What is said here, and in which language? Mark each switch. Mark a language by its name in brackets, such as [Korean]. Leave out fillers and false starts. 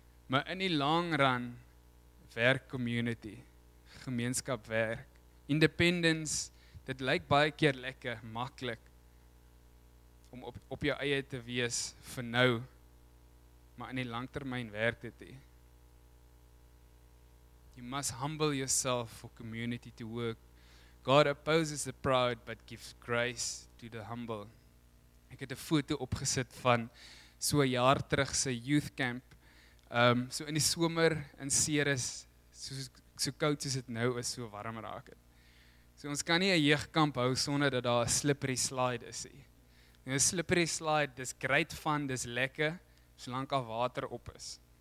[Afrikaans] Maar in die long run, werk community, gemeenskap werk, independence, dit lyk baie keer lekker, maklik, om op jou eie te wees vir nou, maar in die langtermyn werk dit. [English] You must humble yourself for community to work. God opposes the proud, but gives grace to the humble. [Afrikaans] Ek het 'n foto opgesit van so 'n jaar terug se youth camp. So in die somer in Ceres, so koud soos dit nou is, so warm raak het. So ons kan nie 'n jeugkamp hou sonder dat daar 'n slippery slide is. En 'n slippery slide, dis great fun, dis lekker, solank al water op is.